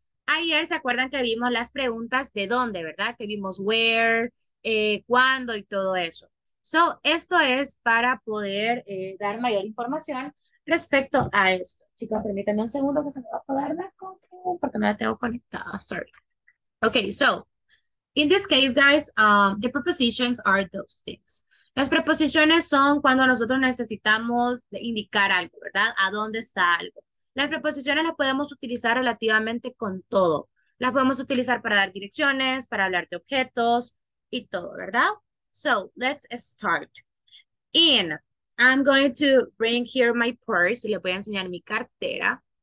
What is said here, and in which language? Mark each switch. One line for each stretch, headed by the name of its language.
Spanish: Ayer, ¿se acuerdan que vimos las preguntas de dónde, verdad? Que vimos where, cuándo y todo eso. So, esto es para poder dar mayor información respecto a esto. Chicos, permítanme un segundo que se me va a apagar la computadora porque no la tengo conectada.
English: Sorry. Okay, so, in this case, guys, the prepositions are those things.
Spanish: Las preposiciones son cuando nosotros necesitamos indicar algo, ¿verdad? ¿A dónde está algo? Las preposiciones las podemos utilizar relativamente con todo. Las podemos utilizar para dar direcciones, para hablar de objetos y todo, ¿verdad?
English: So, let's start. In, I'm going to bring here my purse
Spanish: y le voy a enseñar mi cartera.